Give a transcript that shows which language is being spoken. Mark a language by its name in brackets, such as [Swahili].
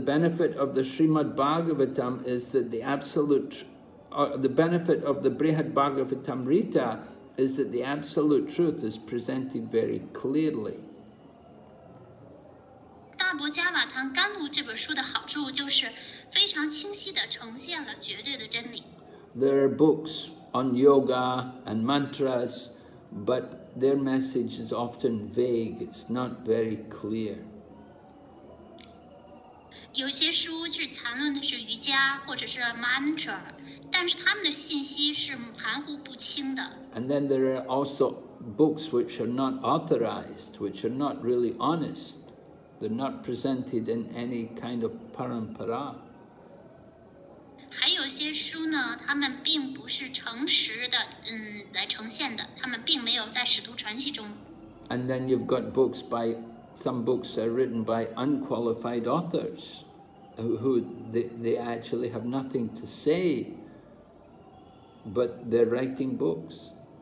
[English] benefit of the Srimad Bhagavatam is that the absolute, the benefit of the Brihad Bhagavatamrita is that the absolute truth is presented very clearly. [Chinese] 大伯加瓦坛甘露这本书的好处就是非常清晰地呈现了绝对的真理。 [English] their books on yoga and mantras, but their message is often vague. It's not very clear. [Chinese] 有些书是谈论的是瑜伽或者是 mantra， 但是他们的信息是含糊不清的。 [English] And then there are also books which are not authorized, which are not really honest. They're not presented in any kind of parampara. [Chinese] 还有些书呢，他们并不是诚实的，来呈现的，他们并没有在使徒传记中。 [English] And then you've got books by, some books are written by unqualified authors, who they actually have nothing to say, but they're writing books.